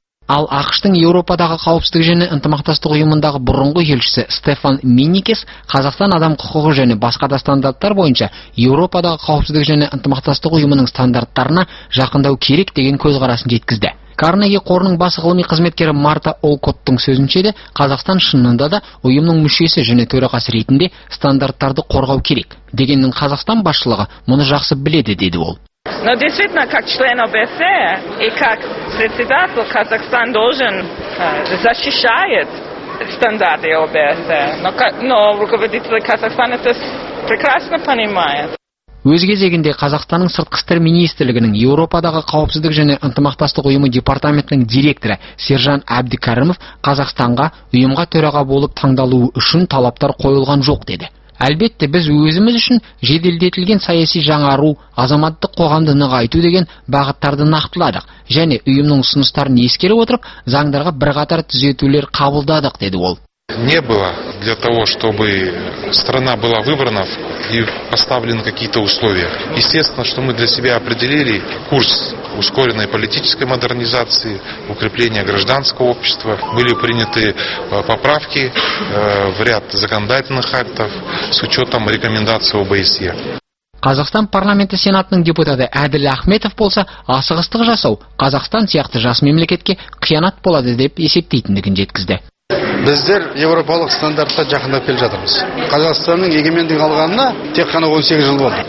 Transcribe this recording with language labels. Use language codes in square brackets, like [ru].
[kk] Ал Ақштың Еуропадағы қауіпсіздік және ынтымақтастық ұйымындағы бұрынғы елшісі Стефан Миникес Қазақстан адам құқығы және басқа да стандарттар бойынша Еуропадағы қауіпсіздік және ынтымақтастық ұйымының стандарттарына жақындау керек деген көзқарасын жеткізді. Карнеги қорының бас ғылыми қызметкері Марта Олкоттың сөзінше де Қазақстан шынында да ұйымның мүшесі және төрағасы ретінде стандарттарды қорғау керек дегенмен Қазақстан басшылығы мұны жақсы біледі деді ол. [ru] Но действительно, как член ОБСЕ и как председатель, Казахстан должен защищать стандарты ОБСЕ. Но руководитель Казахстана это прекрасно понимает. [kk] Өз кезегінде Қазақстанның сыртқы істер министрлігінің Еуропадағы қауіпсіздік және ынтымақтастық ұйымы департаментінің директоры Сержан Әбдікәрімов Қазақстанға ұйымға төраға болып таңдалуы үшін талаптар қойылған жоқ деді. Әлбетте, біз өзіміз үшін жеделдетілген саяси жаңару, азаматтық қоғамды нығайту деген бағыттарды нақтыладық және ұйымның ұсыныстарын ескере отырып, заңдарға бірқатар түзетулер қабылдадық деді ол. [ru] не было для того, чтобы страна была выбрана и поставлены какие-то условия. Естественно, что мы для себя определили курс ускоренной политической модернизации, укрепления гражданского общества. Были приняты поправки в ряд законодательных актов с учетом рекомендаций ОБСЕ. [kk] Қазақстан парламенті сенатының депутаты Әділ Ахметов болса, асығыстық жасау Қазақстан сияқты жас мемлекетке қиянат болады деп есептейтіндігін жеткізді. Біздер еуропалық стандартқа жақындап келе жатырмыз. Қазақстанның егемендік алғанына тек қана 18 жыл болды.